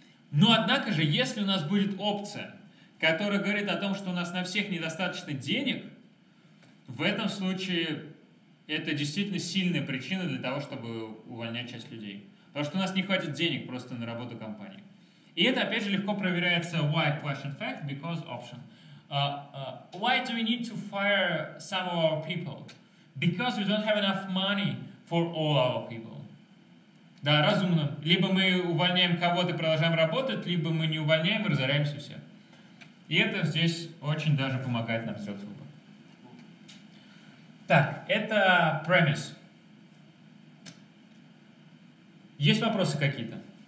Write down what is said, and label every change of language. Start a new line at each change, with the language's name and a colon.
Russian: Но, однако же, если у нас будет опция, которая говорит о том, что у нас на всех недостаточно денег, в этом случае это действительно сильная причина для того, чтобы увольнять часть людей. Потому что у нас не хватит денег просто на работу компании. И это, опять же, легко проверяется
English: why question fact, because option. Why do we need to fire some of our people? Because we don't have enough money for all our people.
Russian: Да, разумно. Либо мы увольняем кого-то и продолжаем работать, либо мы не увольняем и разоряемся все. И это здесь очень даже помогает нам сделать выбор. Так, это premise. Есть вопросы какие-то?